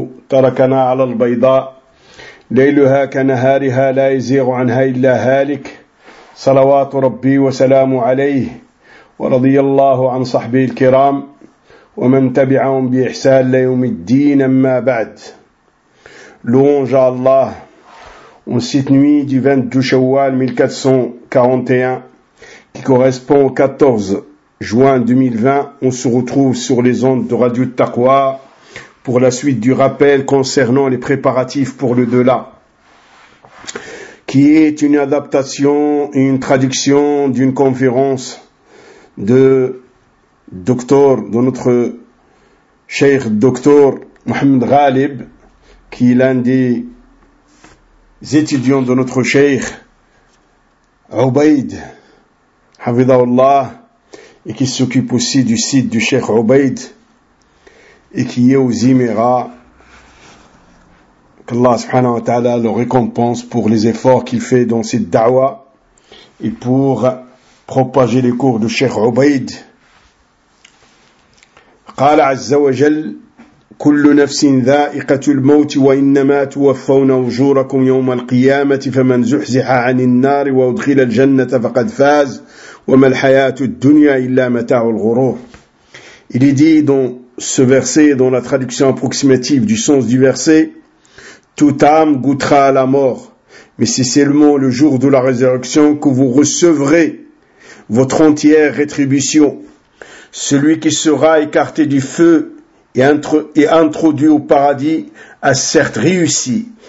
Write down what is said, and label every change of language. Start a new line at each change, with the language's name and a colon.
Arabic: تركنا على البيضاء ليلها كنهارها لا يزيغ عنها إلا هالك، صلوات ربي وسلامه عليه، ورضي الله عن صحبه الكرام ومن تبعهم بإحسان ليوم الدين، أما بعد. لونج الله
French: en cette nuit du 22 Shawwal 1441, qui correspond au 14 juin 2020, on se retrouve sur les ondes de Radio Taqwa pour la suite du rappel concernant les préparatifs pour le delà, qui est une adaptation et une traduction d'une conférence de docteur, de notre cheikh docteur Mohamed Ghalib, qui est l'un des étudiants de notre cheikh Ubaid Hafidhahullah, et qui s'occupe aussi du site du cheikh Ubaid et qui est aux Émirats, qu'Allah subhanahu wa ta'ala le récompense pour les efforts qu'il fait dans cette da'wa et pour propager les cours du cheikh Ubaid.
Arabic: قال عز وجل كل نفس ذائقة الموت وإنما توفون أجوركم يوم القيامة فمن زحزح عن النار وأدخل الجنة فقد فاز وما الحياة الدنيا إلا متاع الغرور.
French: Il est dit dans ce verset, dans la traduction approximative du sens du verset, toute âme goûtera à la mort, mais c'est seulement le jour de la résurrection que vous recevrez votre entière rétribution. Celui qui sera écarté du feu et introduit au paradis a certes réussi.